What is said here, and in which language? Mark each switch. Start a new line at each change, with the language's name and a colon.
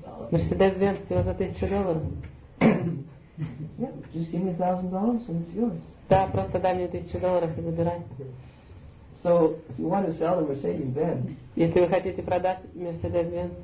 Russian: Mercedes-Benz всего за $1,000.
English: Yeah, just give me $1,000 and it's yours.
Russian: Да, просто дай мне $1,000 и забирай.
English: So if you want to sell the Mercedes-Benz,
Russian: если вы хотите продать Mercedes-Benz,